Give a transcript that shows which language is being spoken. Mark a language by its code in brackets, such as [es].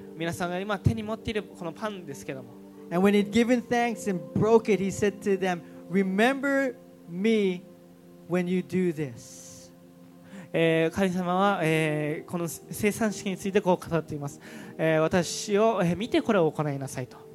[ja] 皆さんが今手に持っているこのパンですけども、 [en] and when he'd given thanks and broke it, he said to them, "Remember." Me, when you do this. [ja] 神様は、この聖餐式についてこう語っています。私を、見てこれを行いなさいと。